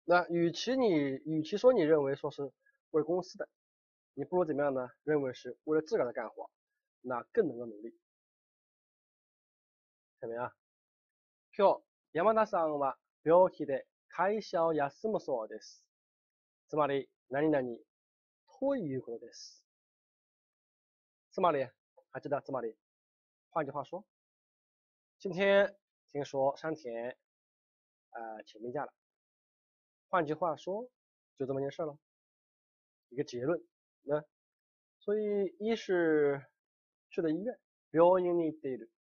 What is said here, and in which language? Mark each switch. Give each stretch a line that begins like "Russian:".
Chinese: 与其说你认为说是为公司的，你不如怎么样呢？认为是为了自个儿的干活，那更能够努力。怎么样？
Japanese: 今日山田さんは病気で会社を休むそうです。つまり何々ということです。つまり、あちらつまり。
Chinese: 换句话说，今天听说山田请病假了。换句话说，就这么件事了，一个结论。那所以一是去了医院，
Japanese: 病院に行っている。